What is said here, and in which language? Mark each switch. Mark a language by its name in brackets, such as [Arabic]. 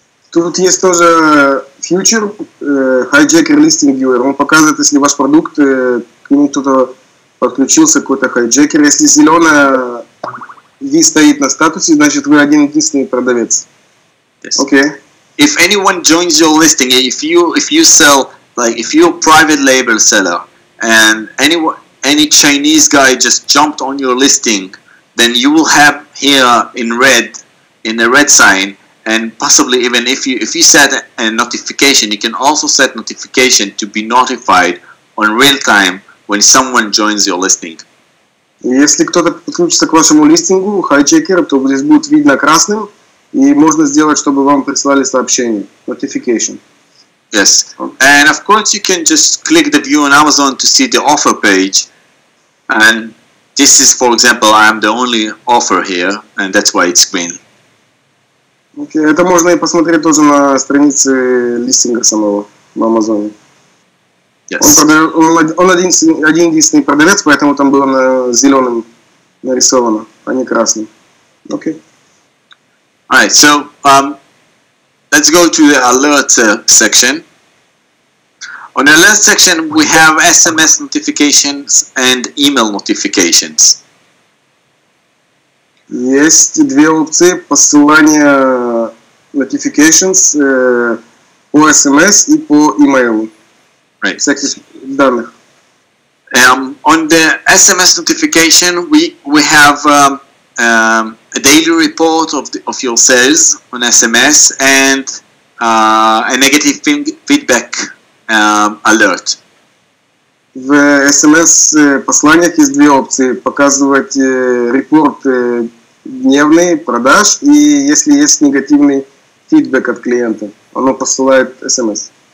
[Russian] Тут есть тоже фьючер Hijacker Listing Viewer. Он показывает, если ваш продукт к нему кто-то подключился, какой-то хайджекер. Если зеленая V стоит на статусе, значит вы один единственный продавец. [English] Yes. Okay. If anyone joins your listing, if you sell, like if you're a private label seller, and any Chinese guy just jumped on your listing, then you will have here in red, in the red sign, and possibly even if you set a notification, you can also set notification to be notified on real time when someone joins your listing. [Russian] Если кто-то подключится к вашему листингу, хайджекер, то здесь будет видно красным, и можно сделать, чтобы вам прислали сообщение, notification. [English] Yes, and of course you can just click the view on Amazon to see the offer page. And this is, for example, I'm the only offer here, and that's why it's green. [Russian] Okay, это можно и посмотреть тоже на странице листинга самого на Амазоне. [English] Yes. [Russian] Он один единственный продавец, поэтому там было на зеленым нарисовано, а не красным. [English] Okay. All right. So let's go to the alert section. On the alert section, we have SMS notifications and email notifications. [Russian] Есть две опции: посылание notifications по SMS и по email. [English] Right. [Russian] Всяких данных. [English] On the SMS notification, we have a daily report of your sales on SMS and a negative feedback. Alert. [Russian] В SMS-посланиях есть две опции. Показывать репорт дневный, продаж, и если есть негативный фидбэк от клиента, оно посылает SMS.